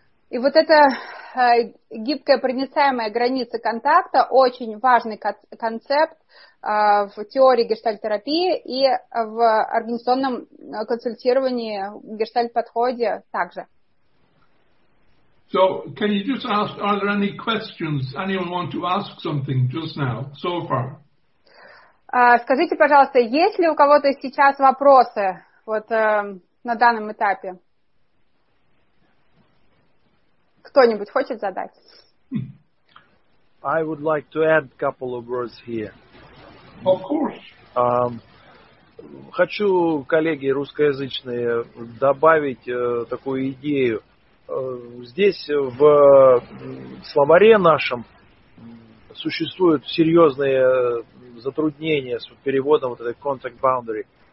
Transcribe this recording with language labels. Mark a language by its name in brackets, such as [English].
[Russian] И вот эта гибкая проницаемая граница контакта очень важный концепт в теории гештальт-терапии и в организационном консультировании гештальт-подходе также. [English] So, can you just ask, are there any questions? Anyone want to ask something just now, so far? [Russian] Скажите, пожалуйста, есть ли у кого-то сейчас вопросы вот на данном этапе? Кто-нибудь хочет задать? [English] I would like to add a couple of words here. Of course. [Russian] Хочу, коллеги русскоязычные, добавить такую идею. Здесь в словаре нашем существуют серьезные затруднения с переводом вот этой contact boundary.